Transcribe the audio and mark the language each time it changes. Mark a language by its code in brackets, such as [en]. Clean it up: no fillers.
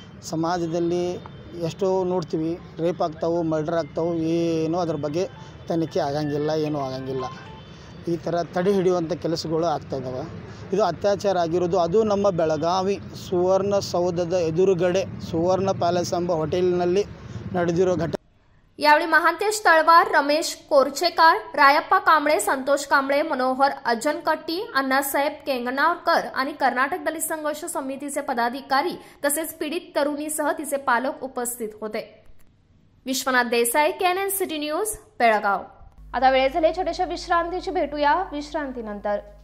[kn] ಸಮಾಜದಲ್ಲಿ ಎಷ್ಟೋ ನೋಡ್ತೀವಿ ರೇಪ್ ಆಗ್ತಾವೆ, ಮರ್ಡರ್ ಆಗ್ತಾವೆ, ಏನೂ ಅದ್ರ ಬಗ್ಗೆ ತನಿಖೆ ಆಗಂಗಿಲ್ಲ, ಏನೂ ಆಗಂಗಿಲ್ಲ, ಈ ಥರ ತಡೆ ಹಿಡಿಯುವಂಥ ಕೆಲಸಗಳು ಆಗ್ತಾಯಿದ್ದಾವೆ। ಇದು ಅತ್ಯಾಚಾರ ಆಗಿರೋದು ಅದು ನಮ್ಮ ಬೆಳಗಾವಿ ಸುವರ್ಣಸೌಧದ ಎದುರುಗಡೆ ಸುವರ್ಣ ಪ್ಯಾಲೇಸ್ ಎಂಬ ಹೋಟೆಲ್ನಲ್ಲಿ ನಡೆದಿರೋ ಘಟನೆ। [mr] यावेळी महांतेश तळवार, रमेश कोरचेकर, रायप्पा कांबळे, संतोष कांबळे, मनोहर अजनकट्टी, अण्णासाहेब केंगणावकर आणि कर्नाटक दलित संघर्ष समितीचे पदाधिकारी तसेच पीडित तरुणीसह तिचे पालक उपस्थित होते। Vishwanath Desai, KNN city news, Belgaum. आता वेळ झाली छोट्याशा विश्रांतीची, भेटूया विश्रांतीनंतर।